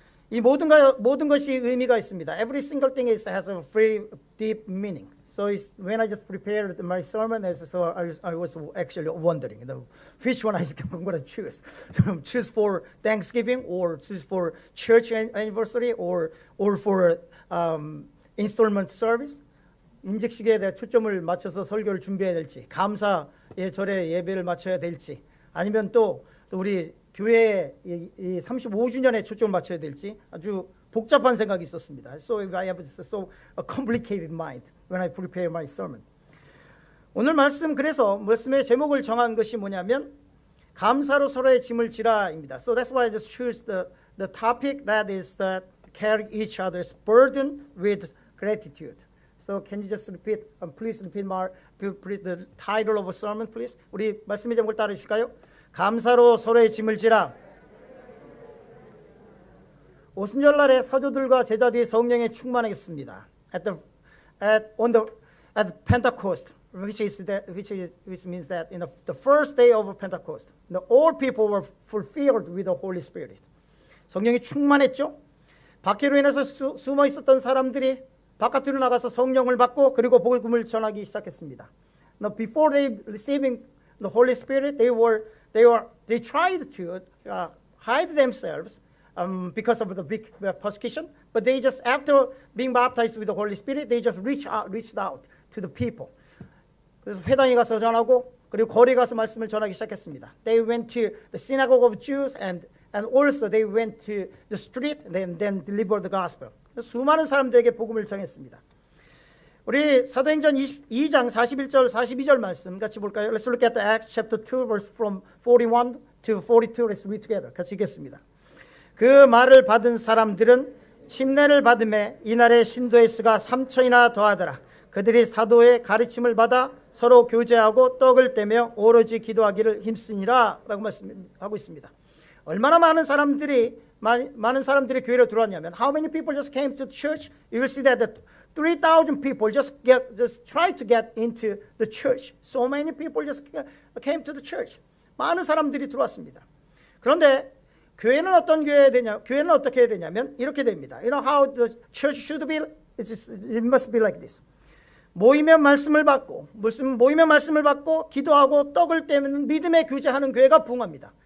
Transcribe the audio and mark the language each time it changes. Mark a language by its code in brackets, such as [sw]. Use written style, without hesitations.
[ko] 이 모든 것이 의미가 있습니다. [en] Every single thing has a very deep meaning. So it's, when I just prepared my sermon, I was actually wondering, you know, which one I'm going to choose. Choose for Thanksgiving, or choose for church anniversary, or for installment service. [ko] 임직식에 대해 초점을 맞춰서 설교를 준비해야 될지, 감사의 절에 예배를 맞춰야 될지, 아니면 또 우리 교회의 이 35주년에 초점을 맞춰야 될지 아주 복잡한 생각이 있었습니다. [en] So I have so a complicated mind when I prepare my sermon. [ko] 오늘 말씀 그래서 말씀의 제목을 정한 것이 뭐냐면 감사로 서로의 짐을 지라입니다. [en] So that's why I just choose the topic that is that carry each other's burden with gratitude. So can you just repeat, please repeat the title of a sermon, please? [ko] 우리 말씀의 제목을 따라해 주실까요? 감사로 서로의 짐을 지라. 오순절날에 사도들과 제자들이 성령에 충만했습니다. [en] At Pentecost, which means that in the first day of Pentecost, all people were fulfilled with the Holy Spirit. [ko] 성령이 충만했죠. 박해로 인해서 숨어 있었던 사람들이 바깥으로 나가서 성령을 받고 그리고 복음을 전하기 시작했습니다. [en] Now before they receiving the Holy Spirit, they tried to hide themselves because of the big persecution. But they just after being baptized with the Holy Spirit, they just reached out to the people. [ko] 그래서 회당에 가서 전하고 그리고 거리 가서 말씀을 전하기 시작했습니다. [en] They went to the synagogue of Jews and also they went to the street and then delivered the gospel. [ko] 수많은 사람들에게 복음을 전했습니다. 우리 사도행전 2장 41절 42절 말씀 같이 볼까요? [en] Let's look at the Acts chapter 2 verse from 41 to 42. Let's read together. [ko] 같이 읽겠습니다. 그 말을 받은 사람들은 침례를 받음에 이날의 신도의 수가 3천이나 더하더라. 그들이 사도의 가르침을 받아 서로 교제하고 떡을 떼며 오로지 기도하기를 힘쓰니라 라고 말씀하고 있습니다. 얼마나 많은 사람들이 많은 사람들이 교회로 들어왔냐면 [en] How many people just came to church? You will see that 3,000 people just tried to get into the church. So many people just came to the church. [ko] 많은 사람들이 들어왔습니다. 그런데 교회는 어떤 교회가 되냐? 교회는 어떻게 해야 되냐면 이렇게 됩니다. [en] You know how the church should be? It must be like this. [ko] 모이면 말씀을 받고 모이면 말씀을 받고 기도하고 떡을 떼면 믿음에 교제하는 교회가 부흥합니다.